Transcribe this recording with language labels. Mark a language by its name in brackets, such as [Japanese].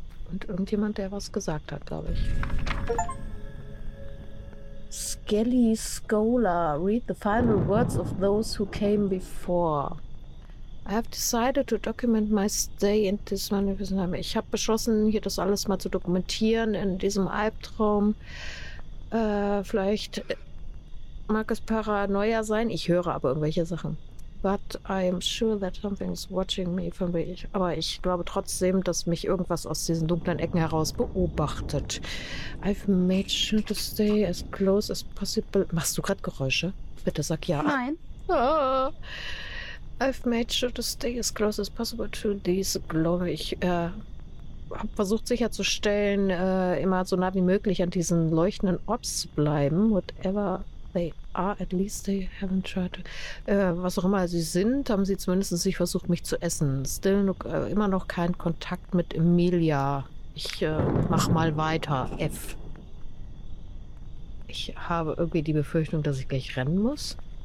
[German] Und irgendjemand, der was gesagt hat, glaube ich. [English] Skelly Scholar, read the final words of those who came before. I have decided to document my stay in this manifestation. [German] Ich habe beschlossen, hier das alles mal zu dokumentieren in diesem Albtraum. Vielleicht Mag es Paranoia sein, ich höre aber irgendwelche Sachen. [English] But I'm sure that something's watching me from me. [German] Aber ich glaube trotzdem, dass mich irgendwas aus diesen dunklen Ecken heraus beobachtet. [English] I've made sure to stay as close as possible. [German] Machst du gerade Geräusche? Bitte sag ja. Nein. [English] I've made sure to stay as close as possible to these, [German] glaube ich. Hab versucht sicherzustellen, immer so nah wie möglich an diesen leuchtenden Orbs zu bleiben. [English] Whatever they are, at least they haven't tried to... [German] was auch immer sie sind, haben sie zumindest nicht versucht, mich zu essen. [English] Still no, [German] immer noch kein Kontakt mit Emilia. Ich mach mal weiter, F. Ich habe irgendwie die Befürchtung, dass ich gleich rennen muss.